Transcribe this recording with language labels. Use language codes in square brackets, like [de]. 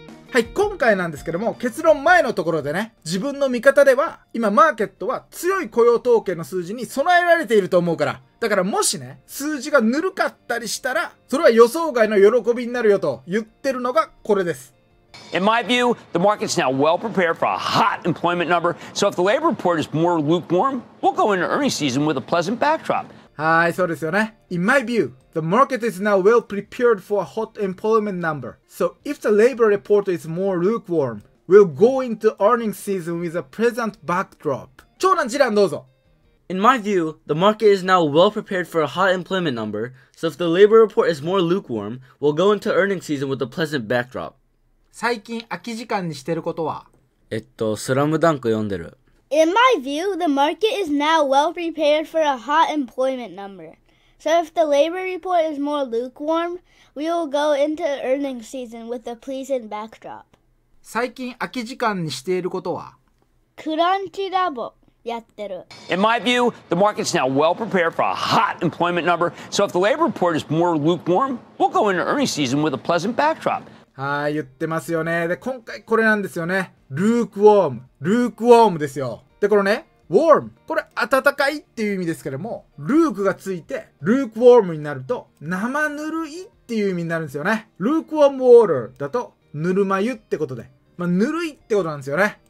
[ja] はい、今回なんですけども、結論前のところでね、自分の見方では、今マーケットは強い雇用統計の数字に備えられていると思うから、だからもしね、数字がぬるかったりしたら、それは予想外の喜びになるよと言ってるのがこれです。 [en] In my view, the market's now well prepared for a hot employment number, so if the labor report is more lukewarm, we'll go into earnings season with a pleasant backdrop. [ja] はい、そうですよね。 [en] In my view,The market is now well prepared for a hot employment number. So if the labor report is more lukewarm, we'll go into earnings season with a pleasant backdrop. [ja] 長男次男どうぞ。 [en] In my view, the market is now well prepared for a hot employment number. So if the labor report is more lukewarm, we'll go into earnings season with a pleasant backdrop. [ja] 最近空き時間にしてることは？スラムダンク読んでる。 [en] In my view, the market is now well prepared for a hot employment number. So if the labor report is more lukewarm, we will go into earnings season with a pleasant backdrop. [ja] 最近空き時間にしていることは？クランチラボやってる。 [en] In my view, the market's now well prepared for a hot employment number. So if the labor report is more lukewarm, we'll go into earnings season with a pleasant backdrop. [ja] はい、言ってますよね。で、今回これなんですよね。lukewarm、lukewarm ですよ。で、これね。 warm、 これ暖かいっていう意味ですけども、ルークがついてルークウォームになると生ぬるいっていう意味になるんですよね。ルークウォームウォーターだとぬるま湯ってことで、まあ、ぬるいってことなんですよね。